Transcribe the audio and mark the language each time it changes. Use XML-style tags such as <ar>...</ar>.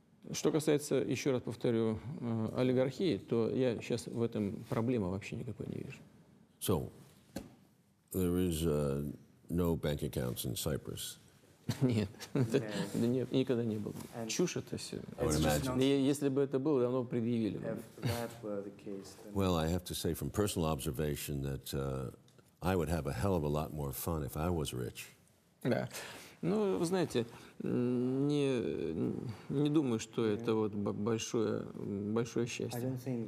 <ru>Что касается, еще раз повторю, олигархии, то я сейчас в этом проблемы вообще никакой не вижу.</ru> <en>So, there is no bank accounts in Cyprus.</en> <ru>Нет, никогда не было. Чушь это все. Если бы это было, давно предъявили бы.</ru> <en>Well, I have to say from personal observation that I would have a hell of a lot more fun if I was rich.</en> <ru>Да. Ну, вы знаете, не думаю, что это вот большое счастье.</ru>